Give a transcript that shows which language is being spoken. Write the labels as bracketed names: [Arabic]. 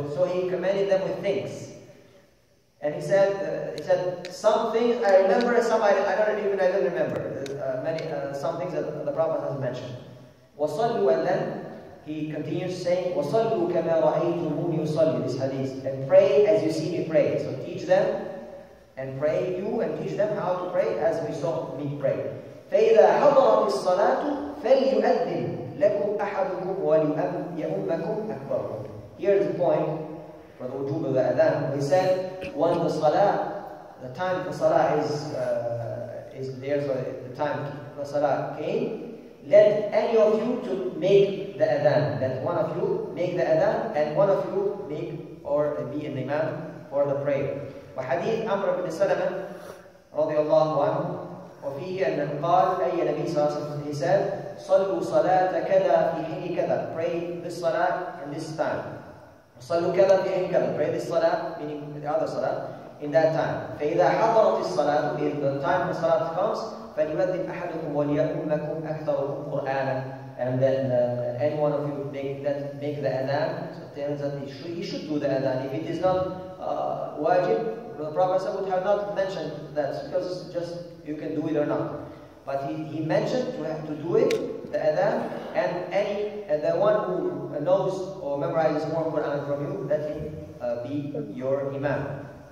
[English] So he commanded them with things. And he said some things I remember, some I don't remember. Some things that the Prophet has mentioned. [Arabic] وصلوا, [English] and then he continues saying, [Arabic] وصلوا كما رأيتمون يصلي, [English] this hadith. And pray as you see me pray. So teach them and pray you and teach them how to pray as we saw me pray. [Arabic] فإذا حضرت الصلاة فليؤذن لكم أحدكم وليؤمكم أكبركم. [English] Here is the point for the wujub of the adhan. He said, when the salah, the time for salah is there, so the time the salah came, let any of you to make the adhan. Let one of you make the adhan, and one of you make or be an imam for the prayer. [Arabic] وحديث أمر بن سلمة رضي الله عنه وفيه أن قال أي نبي صلى الله عليه وسلم. [English] He said, [Arabic] صلوا صلاة كذا في حين كذا. [English] Pray this salah in this time. [Arabic] صلوا كذا في حين كذا. [English] Pray this salah, meaning the other salah, in that time. [Arabic] فإذا حضرت الصلاة, [English] if the time of salah comes, [Arabic] فليؤذن أحدكم وليأمكم أكثركم قرآنا. [English] And then any one of you make the adhan. So it tells that he should do the adhan. If it is not wajib, the Prophet would have not mentioned that, because just you can do it or not. But he mentioned to have to do it, the adhan, and any the one who knows or memorizes more Quran from you, let him be your imam.